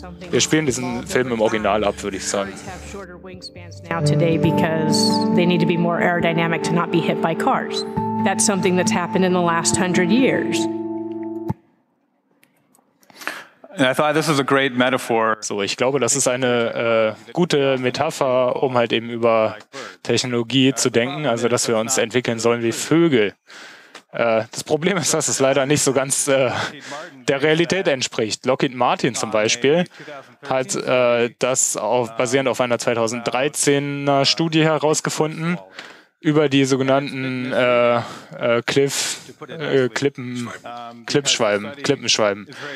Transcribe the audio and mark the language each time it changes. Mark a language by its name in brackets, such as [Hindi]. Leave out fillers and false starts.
[German] Wir spielen diesen Film im Original ab, würde ich sagen. [English] Now today because they need to be more aerodynamic to not be hit by cars. That's something that's happened in the last 100 years. And I thought this was a great metaphor. [German] So, ich glaube, das ist eine gute Metapher, um halt eben über Technologie zu denken, also dass wir uns entwickeln sollen wie Vögel. Das Problem ist, dass es leider nicht so ganz der Realität entspricht. Lockheed Martin zum Beispiel hat basierend auf einer 2013er Studie herausgefunden, über die sogenannten Klippenschwalben.